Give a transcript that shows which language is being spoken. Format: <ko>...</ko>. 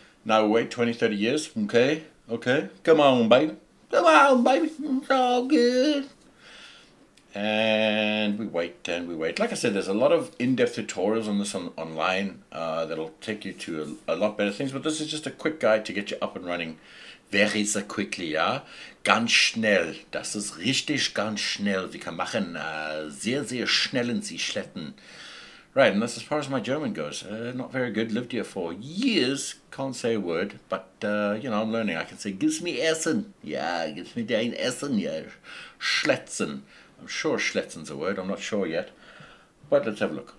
<en>Now wait 20, 30 years, okay? Okay, come on, baby, it's all good. And we wait, and we wait. Like I said, there's a lot of in-depth tutorials on this online that'll take you to a lot better things, but this is just a quick guide to get you up and running very quickly, ja?</en> <de>Ganz schnell, das ist richtig ganz schnell. Sie kann machen sehr, sehr schnellen Sie schletten.</de> <en>Right, and that's as far as my German goes. Not very good. Lived here for years. Can't say a word, but, you know, I'm learning. I can say, gives me Essen. Yeah, gives me</en> <de>dein Essen,</de> <en>yeah. Schletzen. I'm sure Schletzen's a word. I'm not sure yet. But let's have a look.</en>